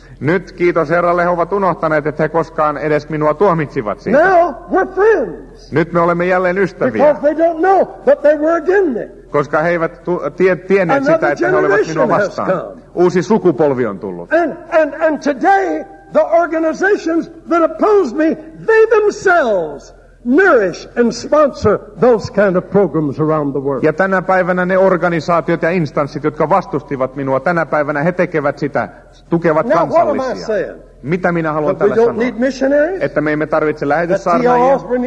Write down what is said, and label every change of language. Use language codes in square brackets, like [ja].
[fi] Nyt kiitos Herralle, he ovat unohtaneet, että he koskaan edes minua tuomitsivat siitä. [en] Now we're friends. [fi] Nyt me olemme jälleen ystäviä. [en] Because they don't know that they were against me. [fi] Koska he eivät tienneet sitä, että he olivat minua vastaan. Uusi sukupolvi on tullut. [en] And today the organizations that oppose me, they themselves nourish and sponsor those kind of programs around the world. [fi] Ja tänä päivänä ne organisaatiot ja instanssit, jotka vastustivat minua, tänä päivänä he tekevät sitä, tukevat [en] now, [fi] kansallisia. Mitä minä haluan tällä sanoa? [en] Need missionaries? [fi] Että me emme tarvitse lähetyssaarnaajia.